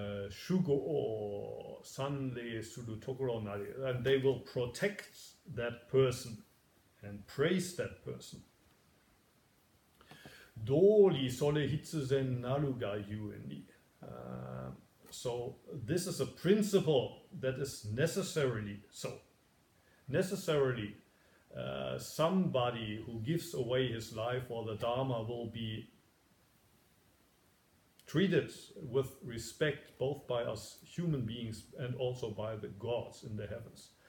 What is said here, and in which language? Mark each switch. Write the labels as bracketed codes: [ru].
[ja] Shugo o sanle suru tokoro nari, [en] and they will protect that person and praise that person. [ja] 道理それ必然なるがゆえに。 [en] So this is a principle that is necessarily so. Necessarily, somebody who gives away his life for the Dharma will be treated with respect both by us human beings and also by the gods in the heavens.